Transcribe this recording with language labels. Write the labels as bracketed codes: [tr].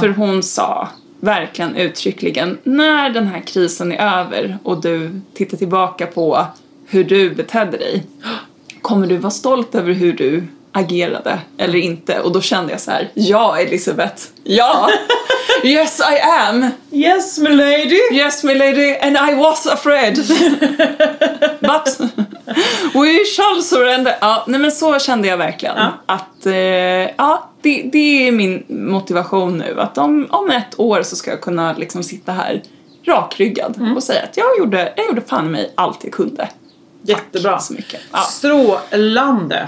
[sv] För hon sa verkligen uttryckligen, när den här krisen är över och du tittar tillbaka på hur du betedde dig, kommer du vara stolt över hur du agerade eller inte? Och då kände jag så här, ja Elisabeth, ja, [en] yes I am, yes my lady, yes my lady, and I was afraid but we shall surrender. [sv] Ja, nej men så kände jag verkligen att ja, det är min motivation nu, att om ett år så ska jag kunna liksom sitta här rakryggad och säga att jag gjorde fan mig allt jag kunde. Jättebra. Så mycket. Ja. Strålande.